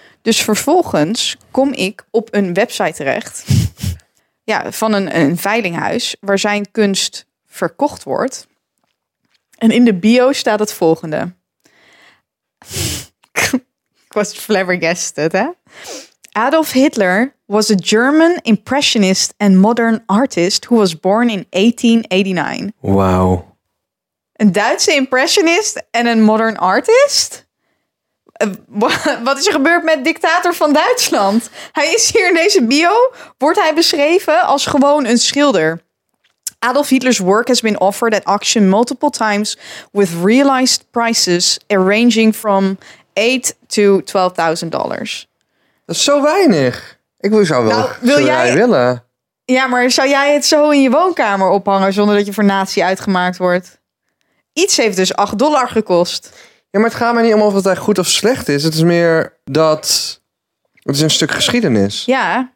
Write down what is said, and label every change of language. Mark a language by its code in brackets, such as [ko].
[nl] Dus vervolgens kom ik op een website terecht. Ja, van een veilinghuis waar zijn kunst verkocht wordt. En in de bio staat het volgende. Ik was flabbergasted, hè? [en] Adolf Hitler was a German impressionist and modern artist who was born in 1889. [nl] Wauw. Een Duitse impressionist en een [en] modern artist? [nl] Wat is er gebeurd met dictator van Duitsland? Hij is hier in deze bio, wordt hij beschreven als gewoon een schilder. [en] Adolf Hitler's work has been offered at auction multiple times with realized prices ranging from $8,000 to $12,000. [nl] Dat is zo weinig. Ik zou wel willen. Ja, maar zou jij het zo in je woonkamer ophangen zonder dat je voor nazi uitgemaakt wordt? Iets heeft dus $8 gekost. Ja, maar het gaat mij niet om of het goed of slecht is. Het is meer dat... Het is een stuk geschiedenis. Ja,